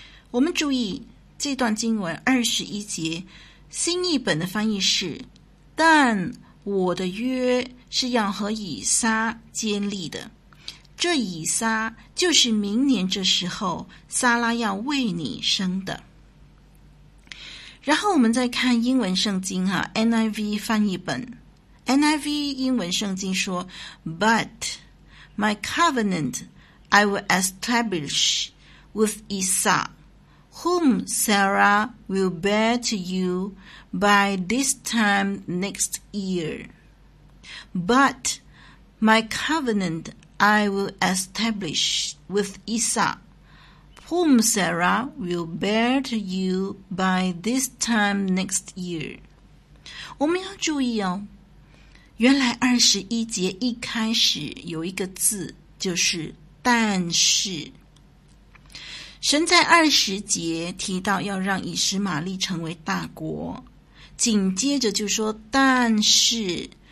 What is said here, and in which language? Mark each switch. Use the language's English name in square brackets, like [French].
[Chinese] 我们注意这段经文21节，新译本的翻译是，但我的约是要和以撒坚立的，这以撒就是明年这时候撒拉要为你生的。然后我们再看英文圣经啊， NIV 翻译本， NIV 英文圣经说， [English] But my covenant I will establish with Esau, whom Sarah will bear to you by this time next year. But my covenant I will establish with Esau, whom Sarah will bear to you by this time next year. [Chinese] 我们要注意哦，原来21节一开始有一个字，就是但是。神在20节提到要让以实玛利成为大国，紧接着就说但是。